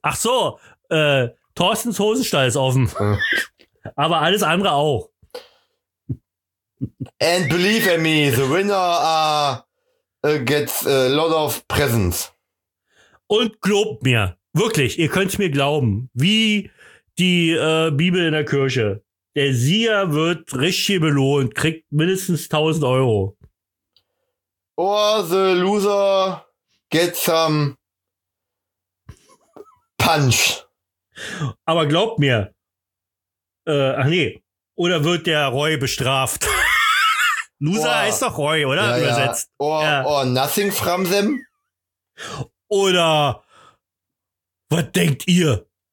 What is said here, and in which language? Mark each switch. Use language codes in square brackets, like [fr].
[de] Ach so, Thorstens Hosenstall ist offen. Aber alles andere auch. [en] And believe in me, the winner gets a lot of presents. [de] Und glaubt mir, wirklich, ihr könnt es mir glauben, wie die Bibel in der Kirche. Der Sieger wird richtig belohnt, kriegt mindestens 1000 Euro. [en] Or the loser gets some punch. [de] Aber glaubt mir, oder wird der Roy bestraft? Loser heißt doch Roy, oder? Ja, übersetzt. Ja. [en] Or nothing from them? [de] Oder was denkt ihr?